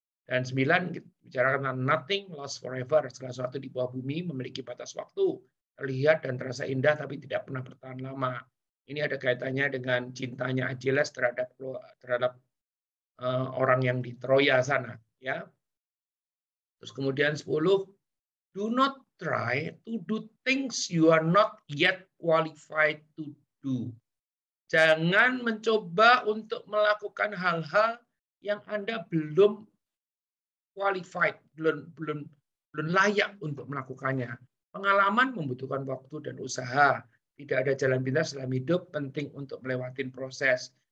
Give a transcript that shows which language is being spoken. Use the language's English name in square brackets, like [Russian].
[Indonesian] Dan 9, bicara tentang [English] nothing lasts forever. [Indonesian] Segala sesuatu di bawah bumi memiliki batas waktu. Terlihat dan terasa indah tapi tidak pernah bertahan lama. Ini ada kaitannya dengan cintanya Achilles terhadap orang yang di Troya sana ya. Terus kemudian [English] 10, do not try to do things you are not yet qualified to do. [Indonesian] Jangan mencoba untuk melakukan hal-hal yang Anda belum qualified, belum layak untuk melakukannya. Pengalaman membutuhkan waktu dan usaha. Tidak ada jalan pintas dalam hidup, penting untuk melewatin proses.